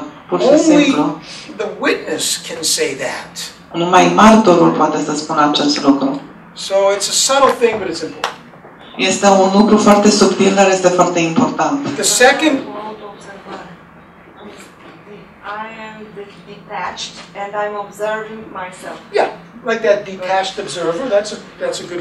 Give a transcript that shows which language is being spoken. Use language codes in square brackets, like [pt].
[en] Only the witness can say that. [ro] Numai martorul poate să spună acest lucru. [en] So it's a subtle thing, but it's important. [ro] Este un lucru foarte subtil, dar este foarte important. [en] The second. I am detached and I'm observing myself. Yeah. Like that detached observer, that's a good